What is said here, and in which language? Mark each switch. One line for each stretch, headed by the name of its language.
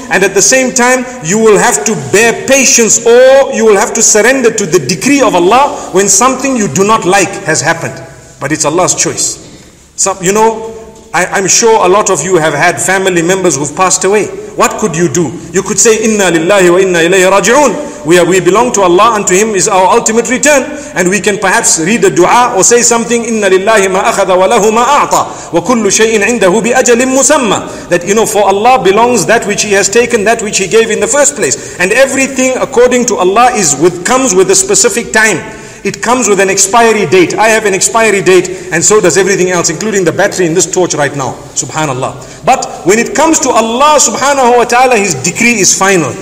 English: And at the same time, you will have to bear patience, or you will have to surrender to the decree of Allah when something you do not like has happened. But it's Allah's choice. So, you know, I'm sure a lot of you have had family members who've passed away. What could you do? You could say,
Arabic: "Inna lillahi wa inna ilayhi raji'un."
English: We belong to Allah, and to Him is our ultimate return. And we can perhaps read a dua or say something,
Arabic: إِنَّ لِلَّهِ مَا أَخَذَ وَلَهُ مَا أَعْطَى وَكُلُّ شَيْءٍ عِنْدَهُ بِأَجَلٍ مُسَمَّى.
English: That, you know, for Allah belongs that which He has taken, that which He gave in the first place. And everything according to Allah comes with a specific time. It comes with an expiry date. I have an expiry date, and so does everything else, including the battery in this torch right now. Subhanallah. But when it comes to Allah subhanahu wa ta'ala, His decree is final.